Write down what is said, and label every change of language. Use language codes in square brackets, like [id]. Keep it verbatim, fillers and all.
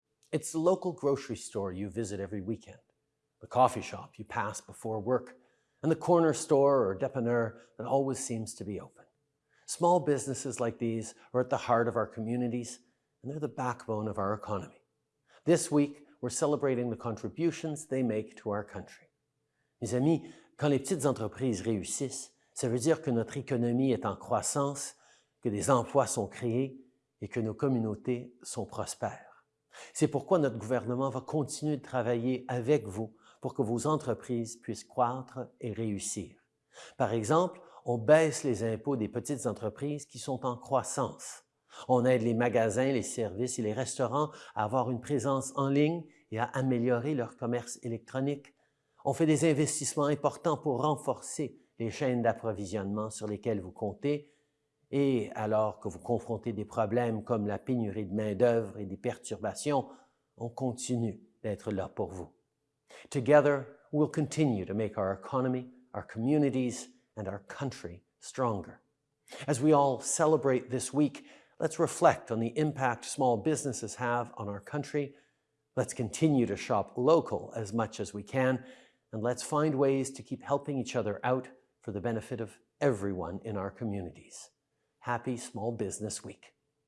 [en] It's the local grocery store you visit every weekend, the coffee shop you pass before work, and the corner store or dépanneur that always seems to be open. Small businesses like these are at the heart of our communities, and they're the backbone of our economy. This week, we're celebrating the contributions they make to our country. [fr] Mes amis, quand les petites entreprises réussissent, ça veut dire que notre économie est en croissance, que des emplois sont créés et que nos communautés sont prospères. C'est pourquoi notre gouvernement va continuer de travailler avec vous pour que vos entreprises puissent croître et réussir. Par exemple, on baisse les impôts des petites entreprises qui sont en croissance. On aide les magasins, les services et les restaurants à avoir une présence en ligne et à améliorer leur commerce électronique. On fait des investissements importants pour renforcer les chaînes d'approvisionnement sur lesquelles vous comptez. Et alors que vous confrontez des problèmes comme la pénurie de main-d'œuvre et des perturbations, on continue d'être là pour vous. [en] Together, we'll continue to make our economy, our communities, and our country stronger. As we all celebrate this week, let's reflect on the impact small businesses have on our country. Let's continue to shop local as much as we can, and let's find ways to keep helping each other out for the benefit of everyone in our communities. Happy Small Business Week.